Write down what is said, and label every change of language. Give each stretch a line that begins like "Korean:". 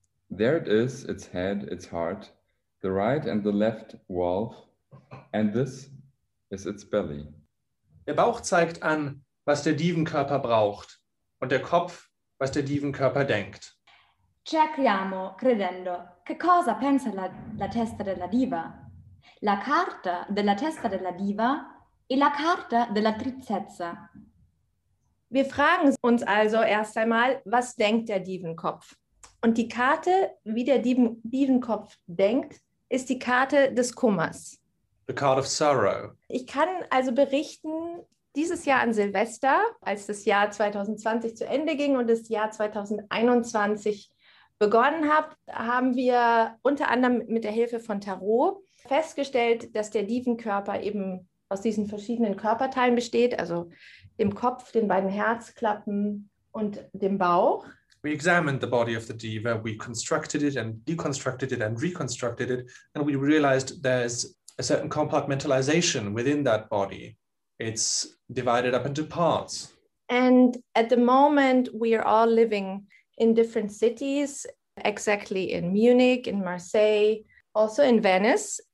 English: There it is, its head, its heart, the right and the left valve, and this is its belly.
German: Der Bauch zeigt an, was der Divenkörper braucht, und der Kopf, was der Divenkörper denkt.
Italian: Cerchiamo, credendo, che cosa pensa la testa della diva? La carta della testa della diva e la carta della tristezza.
German: Wir fragen uns also erst einmal, was denkt der Divenkopf? Und die Karte, wie der Divenkopf denkt, ist die Karte des Kummers.
English: The card of sorrow.
German: Ich kann also berichten, dieses Jahr an Silvester, als das Jahr 2020 zu Ende ging und das Jahr 2021 begonnen hat, haben wir unter anderem mit der Hilfe von Tarot festgestellt, dass der Divenkörper eben aus diesen verschiedenen Körperteilen besteht, also dem Kopf, den beiden Herzklappen und dem Bauch.
English: We examined the body of the diva, we constructed it and deconstructed it and reconstructed it, and we realized there's a certain compartmentalization within that body. It's divided up into parts. And at the moment, we are all living in different cities, exactly in Munich, in Marseille, also in Venice.